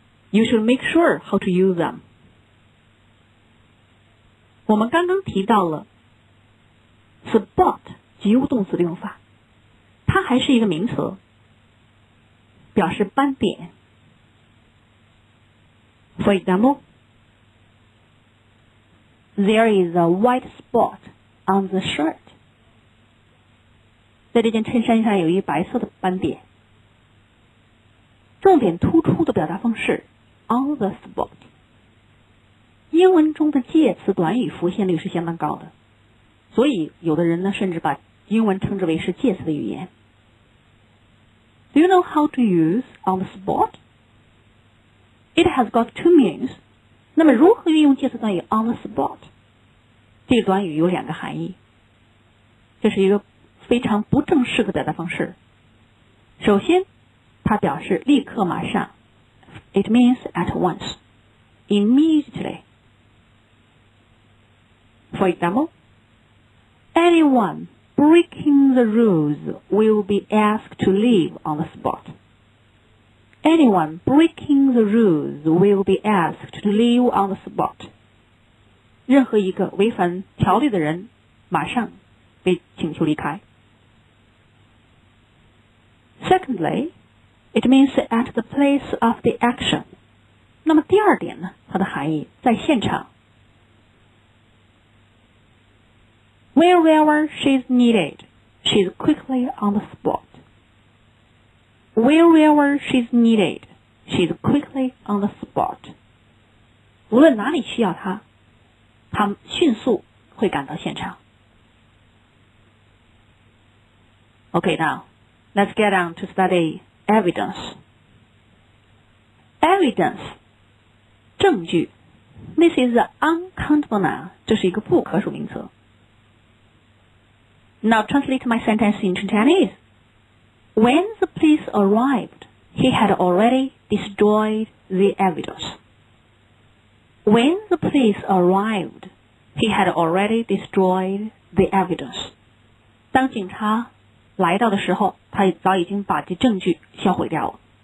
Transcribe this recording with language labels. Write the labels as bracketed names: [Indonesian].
[English] You should make sure how to use them. [Chinese] 我们刚刚提到了 spot, 及物动词的用法，它还是一个名词。表示斑点。 [English] For example, there is a white spot on the shirt. [Chinese] 在这件衬衫上有一白色的斑点。重点突出的表达方式 on the spot. 英文中的介词短语浮现率是相当高的，所以有的人呢甚至把英文称之为是介词的语言。 [English] Do you know how to use on the spot? It has got two meanings. [Chinese] 那么如何运用介词短语 on the spot? 这个短语有两个含义。这是一个非常不正式的表达方式。首先它表示立刻马上。 [English] It means at once. Immediately. For example, anyone breaking the rules will be asked to leave on the spot. Anyone breaking the rules will be asked to leave on the spot. [Chinese] 任何一个违反条例的人马上被请求离开。 [English] Secondly, it means at the place of the action. [Chinese] 那么第二点呢，它的含义在现场。 [English] Wherever she's needed, she's quickly on the spot. Wherever she's needed, she's quickly on the spot. [Chinese] 无论哪里需要她，她迅速会赶到现场。 [English] Okay, now, let's get on to study evidence. Evidence, 证据。This is an uncountable noun, [Chinese] 这是一个不可数名词。 [English] Now, translate my sentence into Chinese. When the police arrived, he had already destroyed the evidence. When the police arrived, he had already destroyed the evidence. [Chinese] 当警察来到的时候，他早已经把这证据销毁掉了。